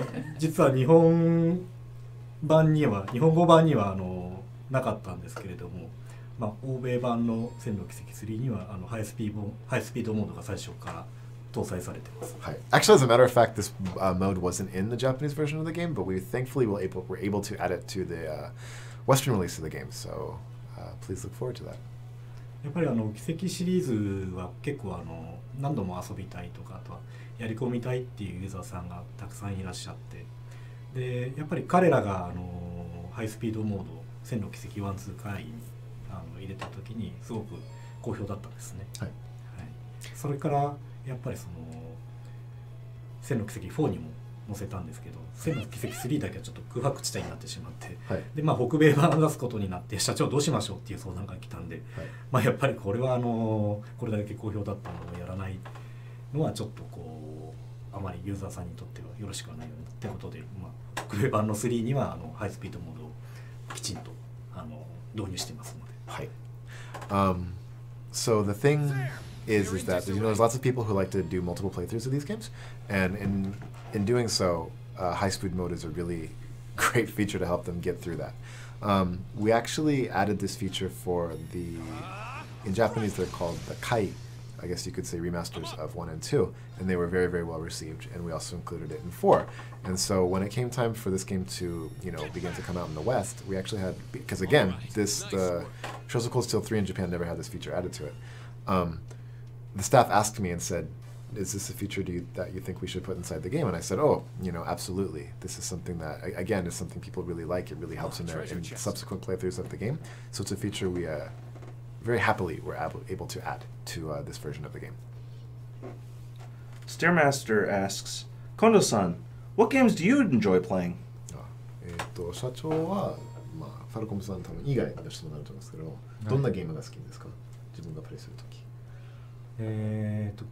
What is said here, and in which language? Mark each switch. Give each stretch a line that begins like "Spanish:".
English: Actually, Japanese
Japanese: 版にはなかったんですけれども、まあ、欧米版の線路奇跡3にはあのハイスピードモードが最初から搭載されています。はい。
English: Actually, as a matter of fact, this mode wasn't in the Japanese version of the game, but we thankfully were able to add it to the Western release of the game, so please look forward to that.
Japanese: やっぱりあの奇跡シリーズは結構あの何度も遊びたいとか、あとはやり込みたいっていうユーザーさんがたくさんいらっしゃって、で、やっぱり彼らがあのハイスピードモード線路奇跡ワンツー回にあの入れた時にすごく好評だったんですね、はいはい、それからやっぱりその線路奇跡4にも載せたんですけど、線路奇跡3だけはちょっと空白地帯になってしまって、はい、でまあ北米版を出すことになって社長どうしましょうっていう相談が来たんで、はい、まあやっぱりこれはあのこれだけ好評だったのをやらないのはちょっとこうあまりユーザーさんにとってはよろしくはないよねってことで、まあ、北米版の3にはあのハイスピードモードきちんとあの導入してますので。はい。
English: So the thing is that you know, there's lots of people who like to do multiple playthroughs of these games, and in doing so, high speed mode is a really great feature to help them get through that. We actually added this feature for the in Japanese they're called the Kai, I guess you could say remasters of 1 and 2, and they were very very well received, and we also included it in 4. And so when it came time for this game to, you know, begin to come out in the West, we actually had, because again, this, the Trails of Cold Steel 3 in Japan never had this feature added to it. The staff asked me and said, is this a feature that you think we should put inside the game? And I said, oh, you know, absolutely. This is something that, again, is something people really like. It really helps in their in subsequent playthroughs of the game. So it's a feature we very happily were able to add to this version of the game. Stairmaster asks, Kondo-san, what games do you enjoy playing?
Japanese: 社長は、まあ、ファルコムさん多分以外の人になると思うんですけど、はい、どんなゲームが好きですか自分がプレイするとき。